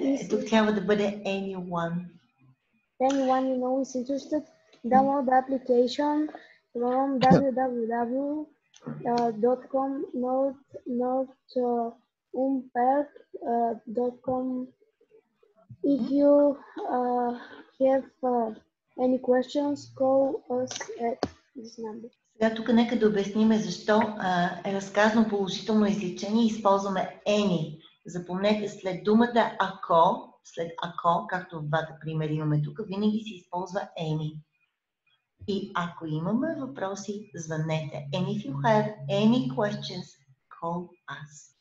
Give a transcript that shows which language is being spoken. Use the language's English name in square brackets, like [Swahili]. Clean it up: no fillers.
[Bulgarian] Не, тук трябва да бъде anyone. [English] Anyone you know is interested, download the application from www.com not umpert.com. If you have any questions, call us at this number. [Bulgarian] Сега тук нека да обясним защо е разказано положително изречение и използваме any. Запомнете след думата ако, след ако, както в двата примери имаме тук, винаги се използва any. И ако имаме въпроси, звънете. [English] And if you have any questions, call us.